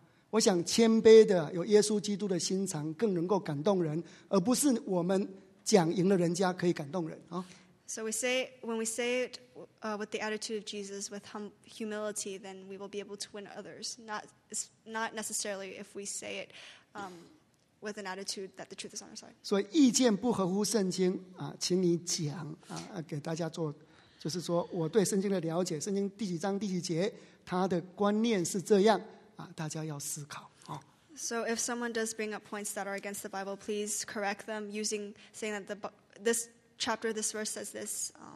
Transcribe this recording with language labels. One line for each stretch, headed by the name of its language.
Chinese: 我想谦卑的有耶稣基督的心肠更能够感动人，而不是我们讲赢了人家可以感动人。
English: So we say, when we say it with the attitude of Jesus, with humility, then we will be able to win others. Not necessarily if we say it with an attitude that the truth is on our side.
Chinese: 所以意见不合乎圣经请你讲给大家做，就是说我对圣经的了解，圣经第几章第几节，他的观念是这样。大家要思考。
English: So if someone does bring up points that are against the Bible, please correct them using saying that this chapter, this verse says this.